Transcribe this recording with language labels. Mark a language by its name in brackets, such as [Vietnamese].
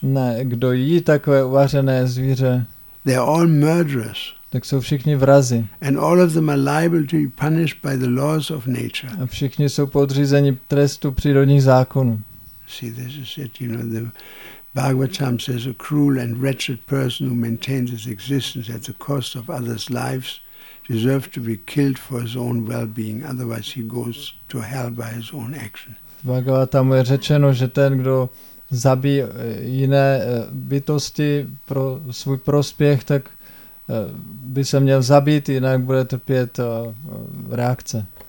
[Czech] Ne, kdo jí takové uvařené zvíře. [English] They are all murderers. [Czech] Tak jsou všichni vrazi. [English] And all of them are liable to be punished by the laws of nature. [Czech] A všichni jsou podřízeni trestu přírodních zákonů. [English] See, this is it. You know, the Bhagavatam says a cruel and wretched person who maintains his existence at the cost of others' lives deserves to be killed for his own well-being. Otherwise, he goes to hell by his own action. [Czech] Bhagavatam je řečeno, že ten, kdo zabíjí jiné bytosti pro svůj prospěch, tak by se měl zabít, jinak bude trpět reakce.